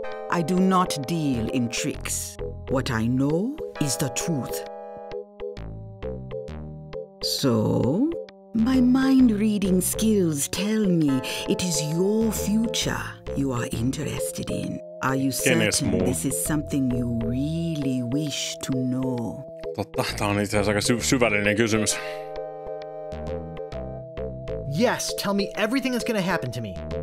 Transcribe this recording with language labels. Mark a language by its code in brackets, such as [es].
[en] I do not deal in tricks. What I know is the truth. So, My mind-reading skills tell me it is your future you are interested in. Are you certain this is something you really wish to know? [fi] Totta, tämä on itse asiassa aika syvällinen kysymys. [en] Yes, tell me everything that's gonna happen to me.